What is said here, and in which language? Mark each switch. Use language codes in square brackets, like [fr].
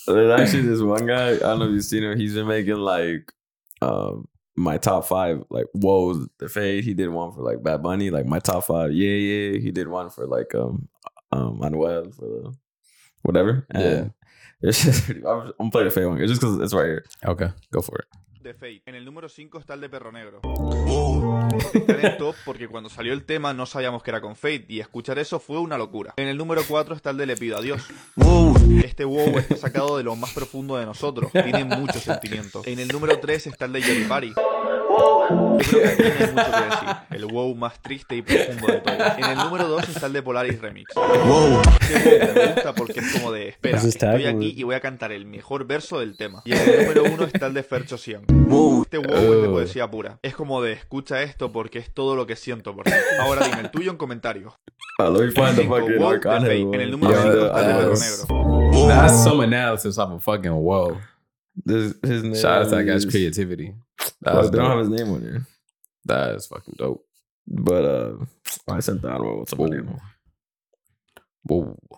[en] There's actually this one guy, I don't know if you've seen him, he's been making like my top five, like Whoa, the Fade. He did one for like Bad Bunny, like my top five. Yeah, yeah. He did one for like Anuel for the whatever. And yeah. I'm going to play the Fade one. It's just because it's right here. Okay, go for it. [es] De Fate. En el número 5 está el de Perro Negro. Oh. Esto porque cuando salió el tema no sabíamos que era con Fate y escuchar eso fue una locura. En el número 4 está el de Le Pido Adiós. Wow. Este wow está sacado de lo más profundo de nosotros. Tiene mucho sentimiento. En el número 3 está el de Jerry Party. Creo que tiene mucho que decir. El wow más triste y profundo de todos. En el número 2 está el de Polaris Remix. Wow. Me gusta porque es como de espera, estoy aquí y voy a cantar el mejor verso del tema. Y en el número 1 está el de Fercho Cian. Este wow es de poesía pura. Es como de escucha esto porque es todo lo que siento por ti. Ahora dime el tuyo en comentarios. En el número 5 está el de Perro Negro. [en] That's some analysis of a fucking wow. His name shout out to that guy's creativity. They don't have his name on here. That is fucking dope. But I sent that one with somebody. Whoa.